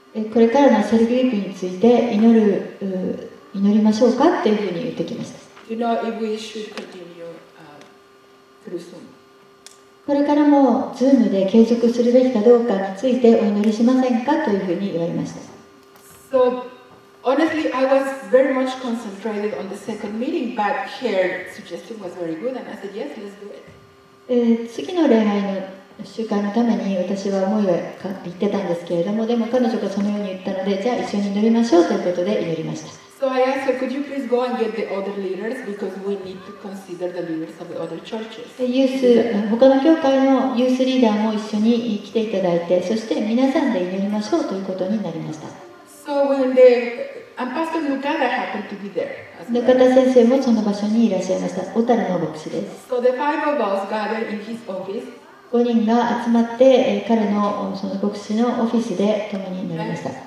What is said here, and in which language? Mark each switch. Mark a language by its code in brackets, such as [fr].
[ja] これからのセルグループについて祈りましょうかっていうふうに言ってきました。 [en] You know, if we should continue through Zoom. [ja] これからも Zoom で継続するべきかどうかについてお祈りしませんかというふうに言われました。 [en] So, honestly, I was very much concentrated on the second meeting, but her suggestion was very good, and I said, yes, let's do it. [ja] 次の礼拝の習慣のために私は思いを言ってたんですけれども、でも彼女がそのように言ったので、じゃあ一緒に祈りましょうということで祈りました。 [en] So I asked her, could you please go and get the other leaders because we need to consider the leaders of the other churches. [ja] ユース、他の教会のユースリーダーも一緒に来ていただいて、そして皆さんで祈りましょうということになりました。 [en] So when the and Pastor Lukada happened to be there. [ja] ヌカダ先生もその場所にいらっしゃいました。オタルの牧師です。 [en] So the five of us gathered in his office. [ja] 5人が集まって彼のその牧師のオフィスで共になりました。